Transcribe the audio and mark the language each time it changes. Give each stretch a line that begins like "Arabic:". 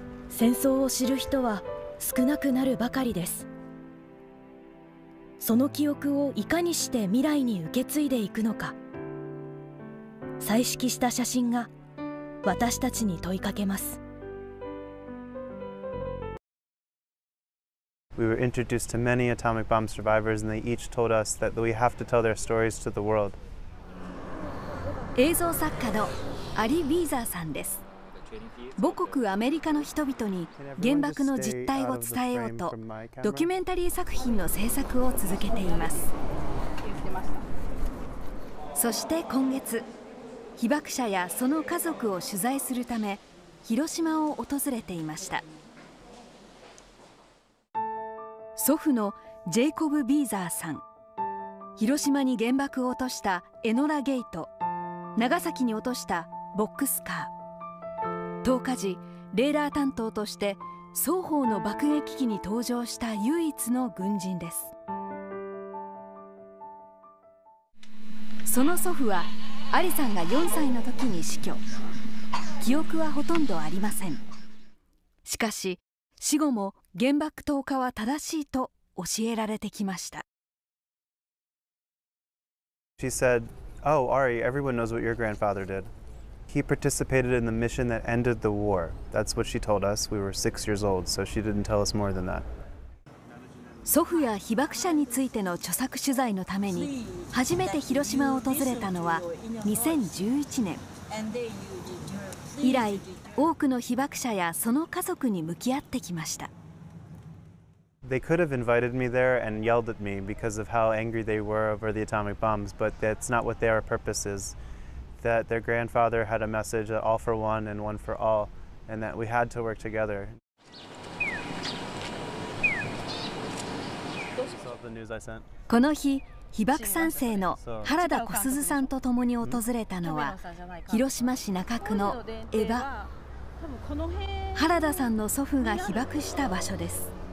Japanese: 戦争を知る人は少なくなるばかりです。その記憶をいかにして未来に受け継いでいくのか、彩色した写真が私たちに問いかけます。
English: We were introduced to many atomic bomb survivors, and they each told us that we have to tell their stories to the world.
Japanese: 映像作家のアリ・ウィーザーさんです。母国アメリカの人々に原爆の実態を伝えようと、ドキュメンタリー作品の制作を続けています。そして今月、被爆者やその家族を取材するため、広島を訪れていました。祖父のジェイコブ・ビーザーさん、広島に原爆を落としたエノラ・ゲイト、長崎に落としたボックスカー、投下時レーダー担当として双方の爆撃機に搭乗した唯一の軍人です。その祖父はアリさんが4歳の時に死去。記憶はほとんどありません。しかし死後も原爆投下は正しいと教えられてきました。
English: She said, "Oh, Ari, everyone knows what your grandfather did. He participated in the mission that ended the war. That's what she told us. We were 6 years old, so she didn't tell us more than that.
Japanese: 祖父や被爆者についての著作取材のために初めて広島を訪れたのは2011年。以来、多くの被爆者やその家族に向き合ってきました。
English: They could have invited me there and yelled at me because of how angry they were over the atomic bombs, but that's not what their purpose is. That their grandfather had a message that all for one and one for all, and that we had to work together.
Japanese: この日、被爆三世の原田小鈴さんと共に訪れたのは、広島市中区の江場。原田さんの祖父が被爆した場所です。